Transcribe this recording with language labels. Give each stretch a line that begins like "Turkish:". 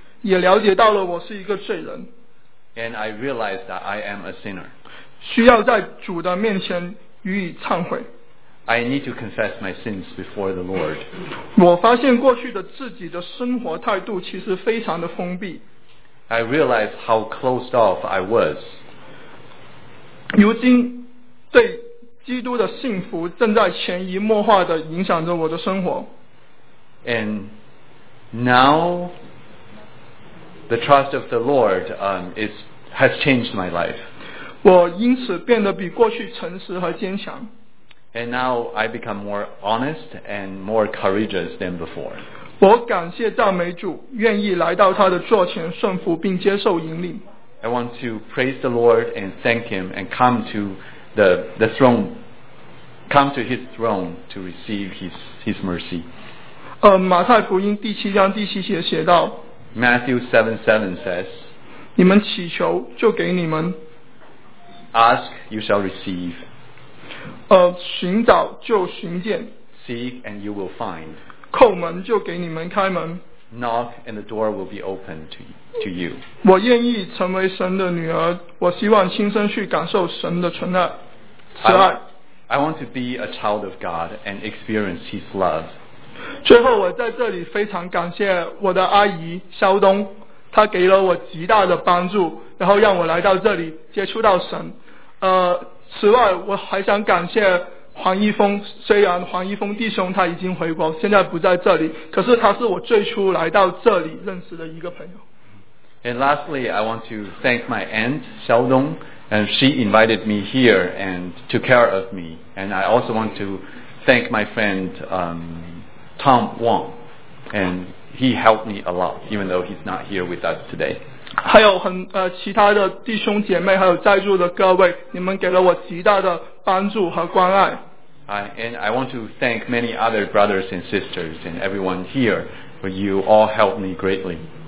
Chinese: 也了解到了我是一个罪人。
English: And I realized that I am a sinner.
Chinese: 需要在主的面前予以忏悔。
English: I need to confess my sins before the Lord.
Chinese: 我发现过去的自己的生活态度其实非常的封闭。
English: I realized how closed off I was.
Chinese: 如今对基督的信服正在潜移默化地影响着我的生活。
English: And now the trust of the Lord has changed my life.
Chinese: 我因此变得比过去诚实和坚强。
English: And now I become more honest and more courageous than before.
Chinese: 我感谢赞美主，愿意来到他的座前顺服并接受引领。
English: I want to praise the Lord and thank him and come to the throne, come to his throne to receive his mercy.
Chinese: 马太福音第七章第七节写到
English: Matthew 7:7 says,
Chinese: 你们祈求就给你们。
English: Ask, you shall receive.
Chinese: 寻找就寻见。
English: Seek and you will find.
Chinese: 叩门就给你们开门。
English: Knock and the door will be open to you.
Chinese: 我愿意成为神的女儿，我希望亲身去感受神的存在。
English: I want to be a child of God and experience His love.
Chinese: 最后，我在这里非常感谢我的阿姨肖东，她给了我极大的帮助，然后让我来到这里接触到神。此外，我还想感谢黄一峰，虽然黄一峰弟兄他已经回国，现在不在这里，可是他是我最初来到这里认识的一个朋友。
English: And lastly, I want to thank my aunt Xiao Dong, and she invited me here and took care of me. And I also want to thank my friend Tom Wong, and he helped me a lot, even though he's not here with us today.
Chinese: 还有其他的弟兄姐妹，还有在座的各位，你们给了我极大的帮助和关爱。
English: And I want to thank many other brothers and sisters and everyone here, for you all helped me greatly.